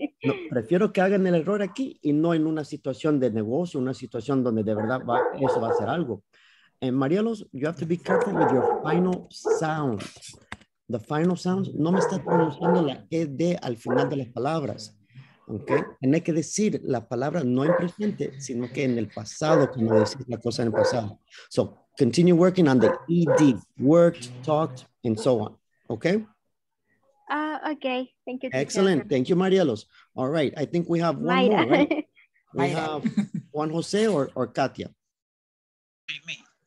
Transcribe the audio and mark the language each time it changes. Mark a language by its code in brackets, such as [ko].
[es] No, prefiero que hagan el error aquí y no en una situación de negocio, una situación donde de verdad va, eso va a ser algo. [en] And Marielos, you have to be careful with your final sound. The final sound, [es] no me estás pronunciando la ED al final de las palabras. Okay? Tienes que decir la palabra no en presente, sino que en el pasado, como decir la cosa en el pasado. [en] So, continue working on the ED, worked, talked, and so on. Okay? Okay, thank you. Excellent, teacher. Thank you, Marielos. All right, I think we have one Mayra. More, right? We have Juan Jose or Katia? Me.